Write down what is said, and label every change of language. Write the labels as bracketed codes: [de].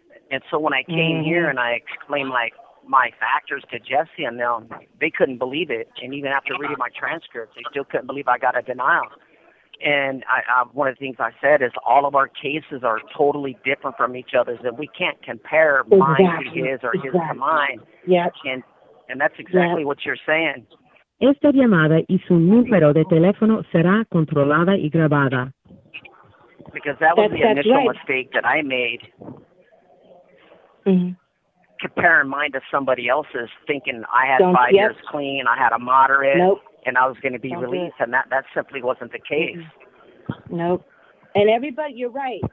[en] And so when I came here and I explained like my factors to Jesse and them, they couldn't believe it. And even after reading my transcripts, they still couldn't believe I got a denial. And I one of the things I said is all of our cases are totally different from each other's, and we can't compare mine to his or his to mine. Yep. And that's exactly what you're saying. [es] Esta llamada y su número de teléfono será controlada y grabada. [en] Because that was the initial mistake that I made. Mm-hmm. Comparing mine to somebody else's, thinking I had 5 years clean, I had a moderate, and I was going to be released, and that simply wasn't the case. Mm-hmm. Nope. And everybody, you're right.